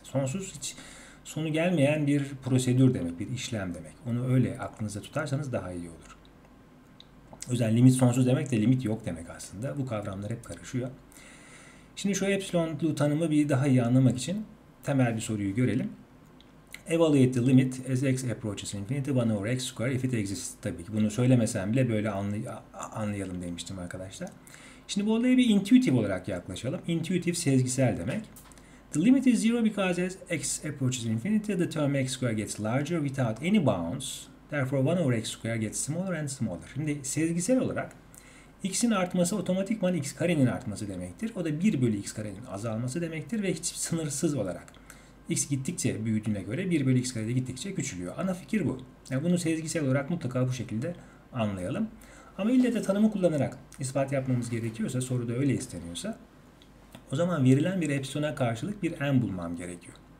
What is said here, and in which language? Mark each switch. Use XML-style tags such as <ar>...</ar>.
<tr>Sonsuz hiç sonu gelmeyen bir prosedür demek, bir işlem demek. Onu öyle aklınızda tutarsanız daha iyi olur. O yüzden limit sonsuz demek de limit yok demek aslında. Bu kavramlar hep karışıyor. Şimdi şu epsilonlu tanımı bir daha iyi anlamak için temel bir soruyu görelim.</tr> <en>Evaluate the limit as x approaches infinity 1 over x square if it exists.</en> <tr>Tabii ki bunu söylemesem bile böyle anlayalım demiştim arkadaşlar. Şimdi bu olaya bir intuitive olarak yaklaşalım. Intuitive sezgisel demek.</tr> <en>The limit is zero because as x approaches infinity the term x square gets larger without any bounds. Therefore 1 over x square gets smaller and smaller.</en> <tr>Şimdi sezgisel olarak x'in artması otomatikman x karenin artması demektir. O da 1 bölü x karenin azalması demektir ve hiç sınırsız olarak x gittikçe büyüdüğüne göre 1 bölü x karede gittikçe küçülüyor. Ana fikir bu. Yani bunu sezgisel olarak mutlaka bu şekilde anlayalım. Ama ille de tanımı kullanarak ispat yapmamız gerekiyorsa, soruda öyle isteniyorsa, o zaman verilen bir epsilona karşılık bir m bulmam gerekiyor.</tr>